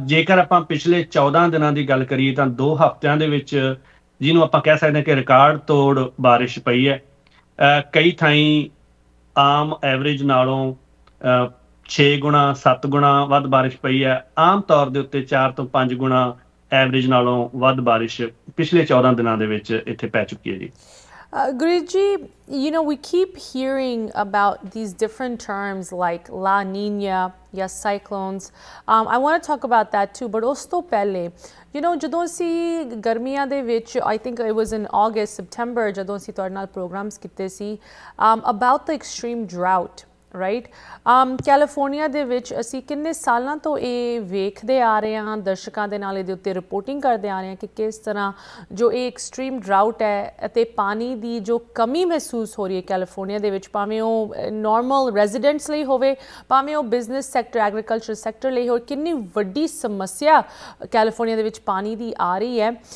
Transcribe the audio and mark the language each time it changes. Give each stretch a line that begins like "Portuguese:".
Punjabi: ਜੇਕਰ ਆਪਾਂ ਪਿਛਲੇ 14 ਦਿਨਾਂ ਦੀ ਗੱਲ ਕਰੀਏ ਤਾਂ 2 ਹਫ਼ਤਿਆਂ ਦੇ ਵਿੱਚ ਜਿਹਨੂੰ ਆਪਾਂ ਕਹਿ ਸਕਦੇ ਹਾਂ ਕਿ ਰਿਕਾਰਡ ਤੋੜ ਬਾਰਿਸ਼ ਪਈ ਹੈ। ਕਈ ਥਾਈਂ ਆਮ ਐਵਰੇਜ ਨਾਲੋਂ 6 ਗੁਣਾ 7 ਗੁਣਾ ਵੱਧ ਬਾਰਿਸ਼ ਪਈ ਹੈ। ਆਮ ਤੌਰ ਦੇ ਉੱਤੇ 4 ਤੋਂ 5 ਗੁਣਾ ਐਵਰੇਜ ਨਾਲੋਂ ਵੱਧ ਬਾਰਿਸ਼ ਪਿਛਲੇ 14 ਦਿਨਾਂ ਦੇ ਵਿੱਚ ਇੱਥੇ ਪੈ ਚੁੱਕੀ ਹੈ ਜੀ।
English: Guruji ji, you know, we keep hearing about these different terms like La Nina, yes, cyclones. I want to talk about that too, but
Punjabi: us to pehle,
English: you know,
Punjabi: jadon si garmiyan de vich,
English: I think it was in August September,
Punjabi: jadon si tuhade naal programs kitte si,
English: about the extreme drought,
Punjabi: right California ਦੇ ਵਿੱਚ ਅਸੀਂ ਕਿੰਨੇ ਸਾਲਾਂ ਤੋਂ ਇਹ ਵੇਖਦੇ ਆ ਰਹੇ ਹਾਂ ਦਰਸ਼ਕਾਂ ਦੇ ਨਾਲ ਇਹਦੇ ਉੱਤੇ ਰਿਪੋਰਟਿੰਗ ਕਰਦੇ ਆ ਰਹੇ ਹਾਂ ਕਿ ਕਿਸ ਤਰ੍ਹਾਂ ਜੋ ਇਹ ਐਕਸਟ੍ਰੀਮ ਡਰਾਊਟ ਹੈ ਅਤੇ ਪਾਣੀ ਦੀ ਜੋ ਕਮੀ ਮਹਿਸੂਸ ਹੋ ਰਹੀ ਹੈ ਕੈਲੀਫੋਰਨੀਆ ਦੇ ਵਿੱਚ, ਭਾਵੇਂ ਉਹ ਨੋਰਮਲ ਰੈਜ਼ੀਡੈਂਟਸ ਲਈ ਹੋਵੇ, ਭਾਵੇਂ ਉਹ ਬਿਜ਼ਨਸ ਸੈਕਟਰ ਐਗਰੀਕਲਚਰ ਸੈਕਟਰ ਲਈ ਹੋਵੇ, ਕਿੰਨੀ ਵੱਡੀ ਸਮੱਸਿਆ ਕੈਲੀਫੋਰਨੀਆ ਦੇ ਵਿੱਚ ਪਾਣੀ ਦੀ ਆ ਰਹੀ ਹੈ.